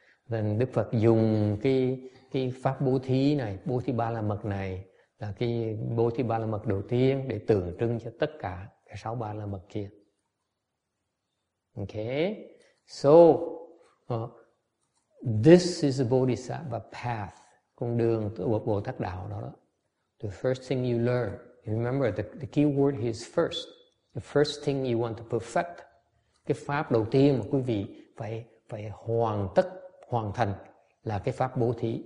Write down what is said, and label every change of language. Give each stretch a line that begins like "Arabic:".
Vietnamese: Then Đức Phật dùng cái pháp bố thí này, bố thí ba la mật này, là cái bố thí ba la mật đầu tiên để tượng trưng cho tất cả cái 6 ba la mật kia.
English: Okay, so this is a bodhisattva path,
Vietnamese: con đường của Bồ Tát đạo đó.
English: The first thing you learn, remember the key word is first. The first thing you want to perfect.
Vietnamese: Cái pháp đầu tiên mà quý vị phải hoàn tất, hoàn thành là cái pháp bố thí.